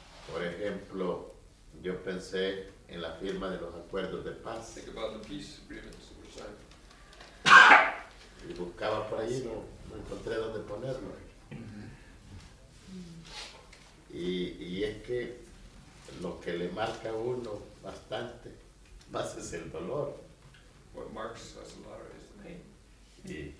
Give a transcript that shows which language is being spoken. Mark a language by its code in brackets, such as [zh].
[es] Por ejemplo, yo pensé en la firma de los acuerdos de paz. [en] Think about the peace agreements that were signed. [es] Y buscaba por ahí, no encontré dónde ponerlo. Y es que lo que le marca a uno bastante más es el dolor. [en] What marks us a lot is the pain.